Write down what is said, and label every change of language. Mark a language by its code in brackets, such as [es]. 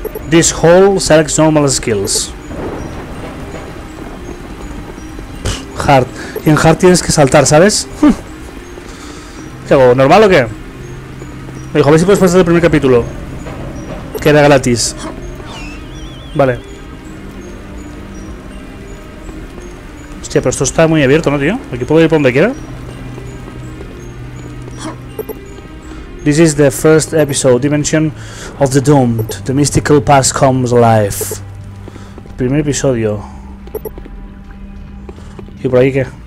[en] This hole selects normal skills. Hard. [es] Y en hard tienes que saltar, ¿sabes? ¿Qué hago? ¿Normal o qué? Me dijo, a ver si puedes pasar el primer capítulo. Que era gratis. Vale. Hostia, pero esto está muy abierto, ¿no, tío? Aquí puedo ir por donde quiera. [en] This is the first episode, Dimension of the Doomed. The mystical past comes alive. [es] Primer episodio. ¿Y por ahí qué?